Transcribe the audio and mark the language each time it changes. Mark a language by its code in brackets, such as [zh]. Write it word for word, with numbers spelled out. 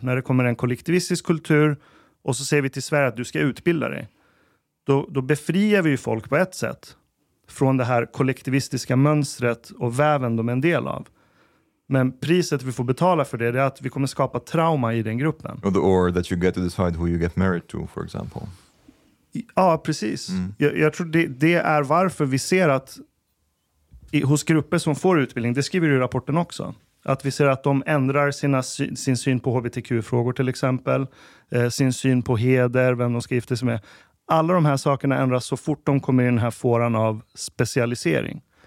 [sv] När det kommer en kollektivistisk kultur och så säger vi till Sverige att du ska utbilda dig. Då, då befriar vi ju folk på ett sätt. Från det här kollektivistiska mönstret och väven de är en del av. Men priset vi får betala för det är att vi kommer skapa trauma i den gruppen. [en] Or, the, or that you get to decide who you get married to, for example. [sv] Ja, precis. Mm. Jag, jag tror det, det är varför vi ser att i, hos grupper som får utbildning, det skriver du i rapporten också, att vi ser att de ändrar sina, sin syn på H B T Q-frågor till exempel, eh, sin syn på heder, vem de ska gifta sig med. Alla de här sakerna ändras så fort de kommer i den här fåran av specialisering.